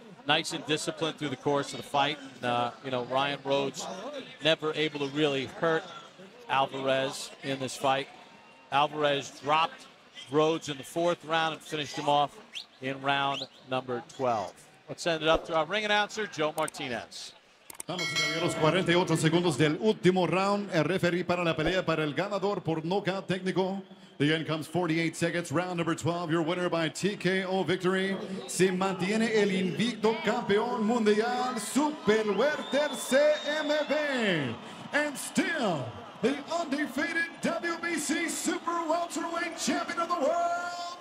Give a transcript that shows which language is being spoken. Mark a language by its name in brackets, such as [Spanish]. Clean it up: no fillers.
[English] Nice and disciplined through the course of the fight. And, you know, Ryan Rhodes never able to really hurt Alvarez in this fight. Alvarez dropped Rhodes in the fourth round and finished him off in round number 12. Let's send it up to our ring announcer, Joe Martinez. [Spanish] Estamos en los 48 segundos del último round. El referee para la pelea para el ganador por knockout técnico. [English] The end comes 48 seconds. Round number 12. Your winner by TKO victory. [Spanish] Se mantiene el invicto campeón mundial Super Welter CMB. [English] And still the undefeated WBC Super Welterweight Champion of the World.